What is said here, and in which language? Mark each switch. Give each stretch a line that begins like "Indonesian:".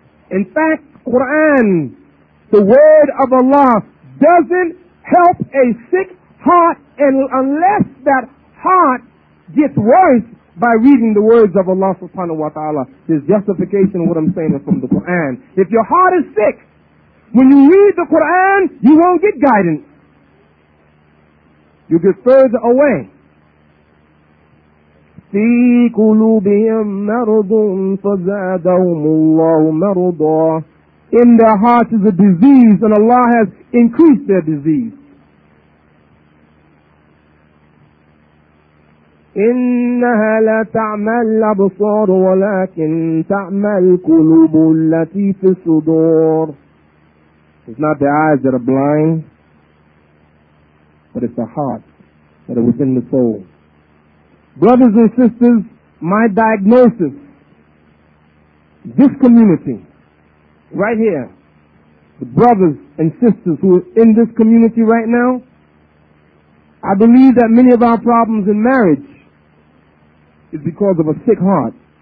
English: In fact, Quran, the word of Allah, doesn't help a sick heart unless that heart gets worse by reading the words of Allah subhanahu wa ta'ala. His justification of what I'm saying is from the Quran. If your heart is sick, when you read the Quran, you won't get guidance. You get further away.
Arabic: في قلوبهم مرض فزادهم الله مرضا.
English: In their hearts is a disease, and Allah has increased their disease.
Arabic: إنها لا تعمى الأبصار ولكن تعمى القلوب التي في الصدور.
English: It's not the eyes that are blind, but it's the heart that is within the soul. Brothers and sisters, my diagnosis this community, right here, the brothers and sisters who are in this community right now, I believe that many of our problems in marriage is because of a sick heart.